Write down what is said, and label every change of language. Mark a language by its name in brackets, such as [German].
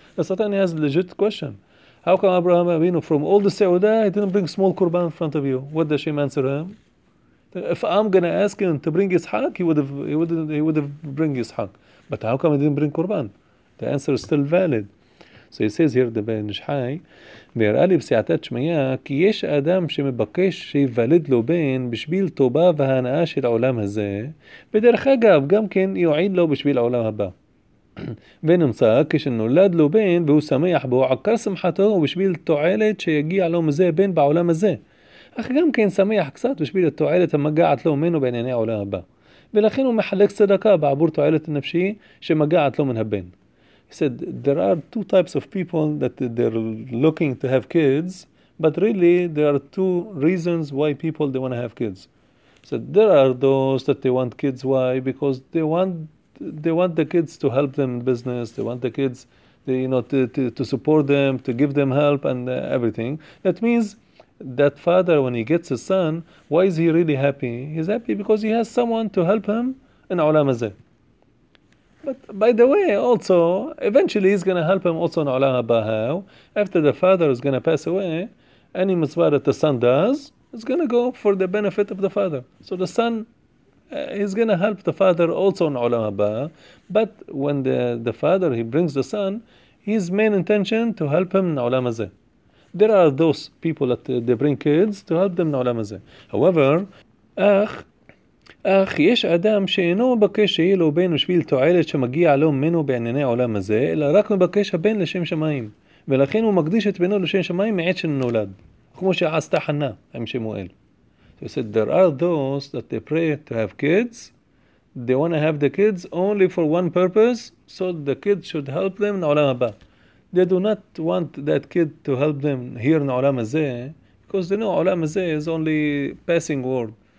[English] The Satan has a legit question. How come Avraham Avinu, from all the Sa'uda, he didn't bring small Qurban in front of you? What does Hashem answer him? If I'm gonna ask him to bring Ishaq, he would have bring Ishaq. But how come he didn't bring Qurban? The answer is still valid. So he says here, the Ben Shai, [Hebrew] ויראה לי בסיעתת שמיה, כי יש אדם שמבקש שיוולד לו בן בשביל טובה והנאה של העולם הזה, ודרך אגב, גם כן יועיל לו בשביל העולם הבא. ונמצא, כשנולד לו בן והוא שמח בו, עקר שמחתו ובשביל תועלת שיגיע לו מזה בן בעולם הזה. אך גם כן שמח קצת בשביל התועלת המגעת לו ממנו בענייני העולם הבא. ולכן הוא מחלק צדקה בעבור תועלת הנפשי שמגעת לו מן הבן. [English] He said, there are two types of people that they're looking to have kids, but really there are two reasons why people they want to have kids. He said, there are those that they want kids. Why? Because they want the kids to help them in business. They want the kids to support them, to give them help and everything. That means that father, when he gets a son, why is he really happy? He's happy because he has someone to help him in Olam Hazeh. But by the way, also, eventually he's going to help him also in Olam Haba. How? After the father is going to pass away, any mitzvah that the son does is going to go for the benefit of the father. So the son is going to help the father also in Olam Haba. But when the father, he brings the son, his main intention to help him in Olam Hazeh. There are those people that they bring kids to help them in Olam Hazeh. However, [Hebrew] אך יש אדם שאינו מבקש שיהיה לו בן בשביל תועלת שמגיע לו ממנו בענייני העולם הזה, אלא רק מבקש הבן לשם שמיים. ולכן הוא מקדיש את בנו לשם שמיים מעת שנולד. כמו שעשתה חנה עם שמואל. [English] He said, there are those that they pray to have kids. They want to have the kids only for one purpose, so the kids should help them in העולם הבא. They do not want that kid to help them here in העולם הזה, because they know העולם הזה is only passing world.